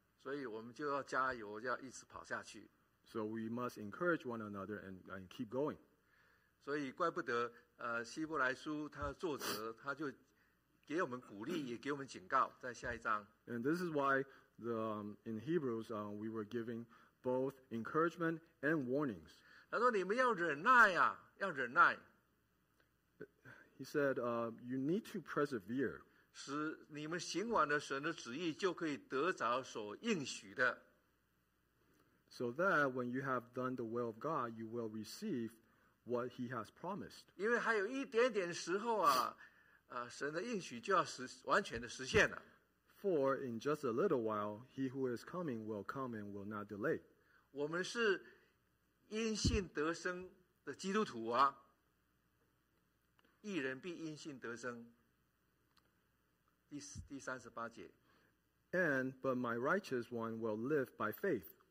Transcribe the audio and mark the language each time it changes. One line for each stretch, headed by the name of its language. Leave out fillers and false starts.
Chinese: 所以我们就要加油，要一直跑下去。
English: So we must encourage one another and keep going.
Chinese: 所以怪不得希伯来书它的作者他就。给我们鼓励，也给我们警告，在下一章。
English: And this is why in Hebrews we were giving both encouragement and warnings.
Chinese: 他说你们要忍耐啊，要忍耐。
English: He said, you need to persevere.
Chinese: 使你们行完了神的旨意，就可以得着所应许的。
English: So that when you have done the will of God, you will receive what He has promised.
Chinese: 因为还有一点点时候啊，神的应许就要完全的实现了。
English: For in just a little while, He who is coming will come and will not delay.
Chinese: 我们是因信得生的基督徒啊，义人必因信得生。第三十八节。And
English: but my righteous one will live by faith.